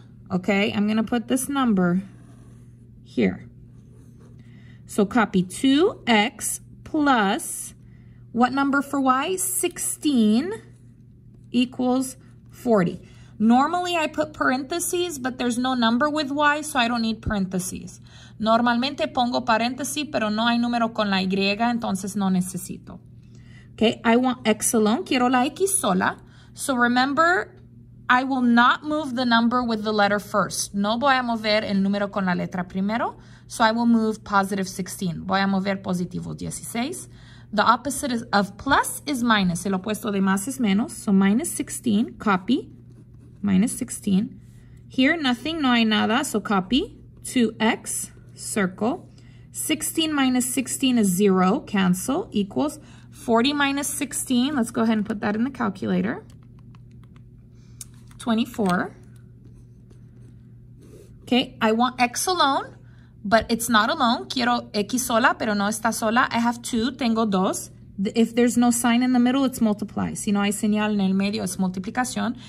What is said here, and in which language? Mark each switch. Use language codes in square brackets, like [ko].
[en] Okay, I'm going to put this number here. So copy 2x plus what number for y? 16 equals 40. Normally, I put parentheses, but there's no number with y, so I don't need parentheses. [es] Normalmente pongo paréntesis, pero no hay número con la y, entonces no necesito. [en] Okay, I want x alone. [es] Quiero la x sola. [en] So remember, I will not move the number with the letter first. [es] No voy a mover el número con la letra primero. [en] So I will move positive 16. [es] Voy a mover positivo 16. [en] The opposite of plus is minus. [es] El opuesto de más es menos. [en] So minus 16, copy. Minus 16. Here, nothing, [es] no hay nada. [en] So copy. 2x, circle. 16 minus 16 is 0. Cancel. Equals 40 minus 16. Let's go ahead and put that in the calculator. 24. Okay, I want x alone, but it's not alone. [es] Quiero x sola, pero no está sola. [en] I have 2, [es] tengo 2. [en] If there's no sign in the middle, it's multiply. [es] Si no hay señal en el medio, es multiplicación.